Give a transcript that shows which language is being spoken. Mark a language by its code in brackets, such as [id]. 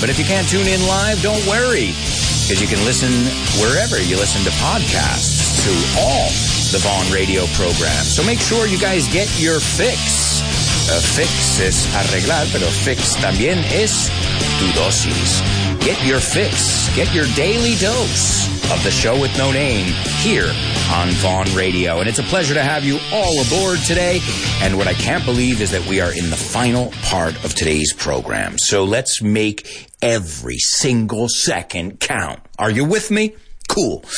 [en] But if you can't tune in live, don't worry, because you can listen wherever you listen to podcasts, to all the Vaughn Radio programs. So make sure you guys get your fix. A fix is [es] arreglar, pero fix también es tu dosis. [en] Get your fix, get your daily dose of the Show with No Name here on Vaughn Radio. And it's a pleasure to have you all aboard today. And what I can't believe is that we are in the final part of today's program. So let's make every single second count. Are you with me? Cool.